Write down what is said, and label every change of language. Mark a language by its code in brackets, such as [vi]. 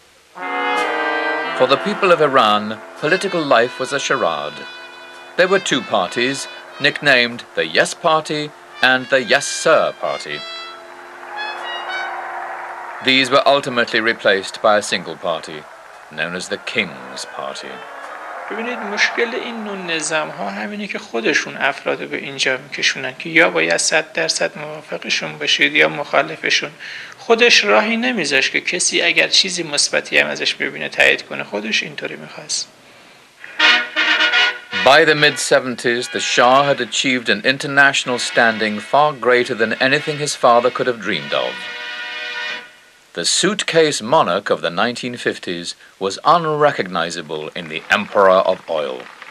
[en] For the people of Iran, political life was a charade. There were two parties, nicknamed the Yes Party and the Yes Sir Party. These were ultimately replaced by a single party, known as the King's Party. [fa] ببینید مشکل این نوع نظام ها همینه که خودشون افراد رو به اینجا میکشونن که یا باید 100% موافقشون باشید یا مخالفشون. خودش راهی نمیذاش که کسی اگر چیزی مثبتی هم ازش ببینه تایید کنه. خودش اینطوری میخواست. [en] By the mid-70s, the Shah had achieved an international standing far greater than anything his father could have dreamed of. The suitcase monarch of the 1950s was unrecognizable in the Emperor of Oil.